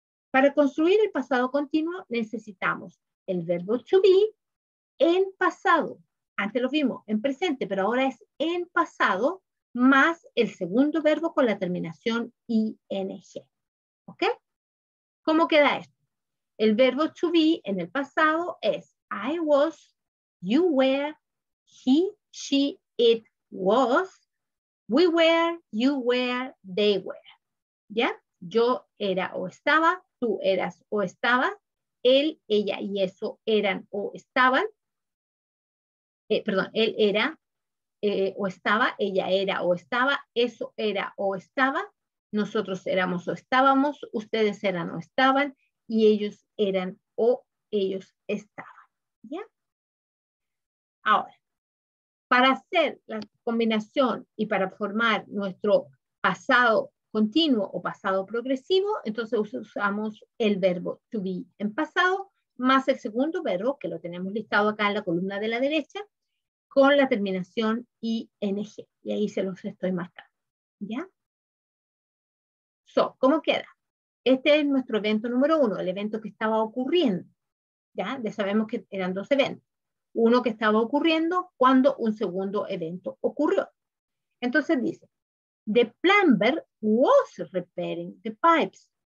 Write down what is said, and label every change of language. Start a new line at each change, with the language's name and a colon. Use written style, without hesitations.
Spanish: Para construir el pasado continuo, necesitamos el verbo to be en pasado. Antes lo vimos en presente, pero ahora es en pasado más el segundo verbo con la terminación ing. ¿Ok? ¿Cómo queda esto? El verbo to be en el pasado es
English: I was, you were, he, she, it was, we were, you were, they were.
Spanish: ¿Ya? Yo era o estaba, tú eras o estabas, él, ella y eso eran o estaban. Él era o estaba, ella era o estaba, eso era o estaba, nosotros éramos o estábamos, ustedes eran o estaban, y ellos eran o ellos estaban. ¿Ya? Ahora, para hacer la combinación y para formar nuestro pasado continuo o pasado progresivo, entonces usamos el verbo to be en pasado, más el segundo verbo, que lo tenemos listado acá en la columna de la derecha, con la terminación ing. Y ahí se los estoy marcando. ¿Ya? So, ¿cómo queda? Este es nuestro evento número uno, el evento que estaba ocurriendo. ¿Ya? Ya sabemos que eran dos eventos. uno que estaba ocurriendo cuando un segundo evento ocurrió. Entonces dice,
English: the plumber was repairing the pipes.